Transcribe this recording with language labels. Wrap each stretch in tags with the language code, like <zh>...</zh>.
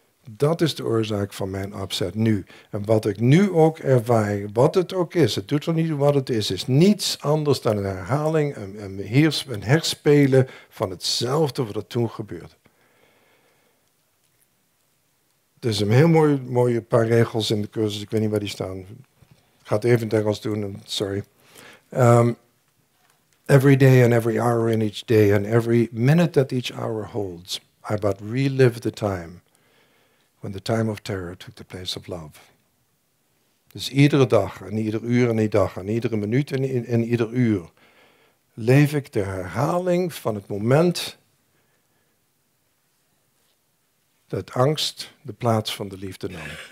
<nl>Dat is de oorzaak van mijn upset nu. En wat ik nu ook ervaar, wat het ook is, het doet er niet wat het is, is niets anders dan een herhaling, een herspelen van hetzelfde wat er toen gebeurde. Er is een heel mooie paar regels in de cursus. Ik weet niet waar die staan. Ik ga het even in het Engels doen. Sorry.</nl> <en>Every day and every hour in each day and every minute that each hour holds, I but relive the time when the time of terror took the place of love.</en> <nl>Dus iedere dag en ieder uur en die dag en iedere minuut en ieder uur leef ik de herhaling van het moment dat angst de plaats van de liefde nam.</nl>